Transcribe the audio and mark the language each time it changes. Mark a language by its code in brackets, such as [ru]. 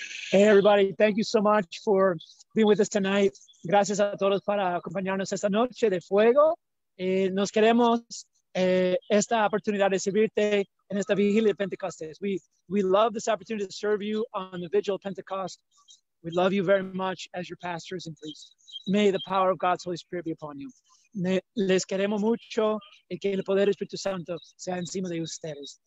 [en] Hey, everybody, thank you so much for being with us tonight. [es] Gracias a todos para acompañarnos esta noche de fuego. Nos queremos esta oportunidad de servirte en esta vigilia de Pentecostes. [en] We love this opportunity to serve you on the vigil of Pentecost. We love you very much as your pastors and priests. May the power of God's Holy Spirit be upon you. [es] Les queremos mucho y que el poder del Espíritu Santo sea encima de ustedes.